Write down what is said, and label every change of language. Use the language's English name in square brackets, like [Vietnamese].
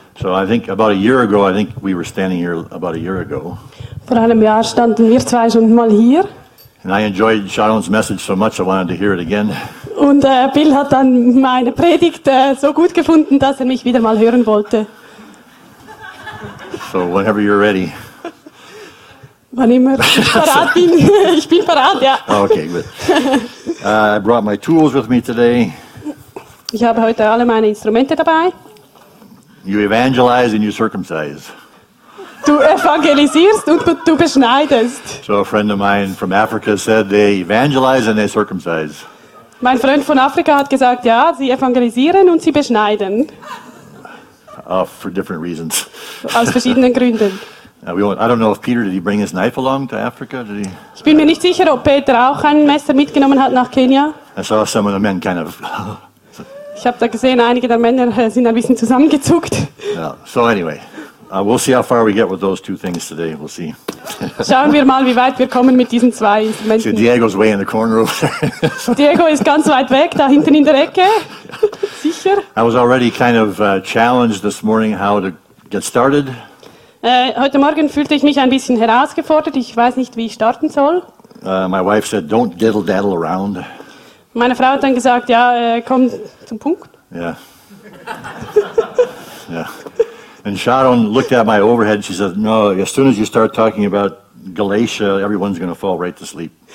[English] So I think about a year ago, I think we were standing here about a year ago. [German] Vor einem Jahr standen wir zwei schon mal hier. [English] And I enjoyed Sharon's message so much, I wanted to hear it again. [German] Und Bill hat dann meine Predigt so gut gefunden, dass er mich wieder mal hören wollte. [English] So whenever you're ready. [German] Wann immer ich bereit bin. Ich bin bereit, ja. [English] Okay, good. I brought my tools with me today. [German] Ich habe heute alle meine Instrumente dabei. [English] You evangelize and you circumcise. [German] Du evangelisierst und du beschneidest. [English] So a friend of mine from Africa said they evangelize and they circumcise. [German] Mein Freund von Afrika hat gesagt, ja, sie evangelisieren und sie beschneiden. [English] For different reasons. [German] Aus verschiedenen Gründen. [English] I don't know if Peter, did he bring his knife along to Africa? Did he? [German] Ich bin mir nicht sicher, ob Peter auch ein Messer mitgenommen hat nach Kenia. [English] I saw some of the men kind of... [German] Ich habe da gesehen, einige der Männer sind ein bisschen zusammengezuckt. [English] Yeah. So anyway, we'll see how far we get with those two things today. We'll see. [German] Schauen wir mal, wie weit wir kommen mit diesen zwei Instrumenten. [English] See, Diego's way in the corner over there. [German] Diego ist ganz weit weg, da hinten in der Ecke. Sicher. [English] I was already kind of challenged this morning how to get started. [German] Heute Morgen fühlte ich mich ein bisschen herausgefordert. Ich weiß nicht, wie ich starten soll. [English] My wife said, don't diddle-daddle around. [German] Meine Frau hat dann gesagt, ja, komm zum Punkt. [English] Yeah. Yeah. And Sharon looked at my overhead and she said, no, as soon as you start talking about Galatia, everyone's going to fall right to sleep.